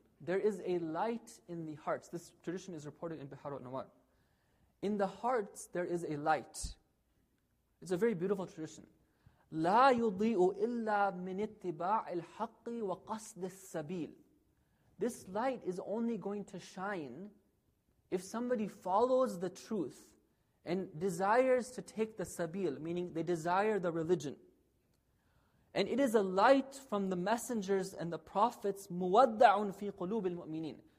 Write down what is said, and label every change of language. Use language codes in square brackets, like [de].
[en] There is a light in the hearts. This tradition is reported in Bihar al-Nawar. In the hearts, there is a light. It's a very beautiful tradition. [ar] لا يضيء إلا من اتباع الحق وقصد السبيل. [en] This light is only going to shine if somebody follows the truth and desires to take the sabil, meaning they desire the religion. And it is a light from the messengers and the prophets. [ar] مُوَدَّعٌ فِي قُلُوبِ الْمُؤْمِنِينَ.